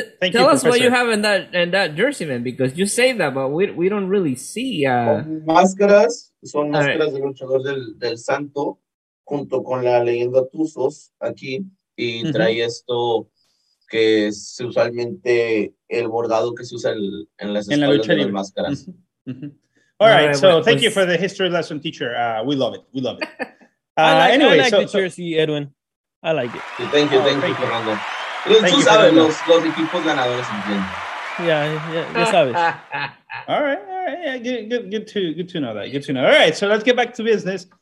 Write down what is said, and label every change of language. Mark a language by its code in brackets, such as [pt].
[en] Tell us what you have in that jersey, man, because you say that, but we don't really see. [es] Máscaras, son máscaras del luchador del Santo, junto con la leyenda Tuzos aquí, y trae esto que es usualmente el bordado que se usa en las espaldas de las máscaras. [en] All right, so thank you for the history lesson, teacher. We love it. I like the jersey, Edwin. I like it. Thank you, [es] Fernando. Tú sabes, los equipos ganadores entienden. Yeah, ya sabes. [en] All right. Yeah, good to know that. All right, so let's get back to business.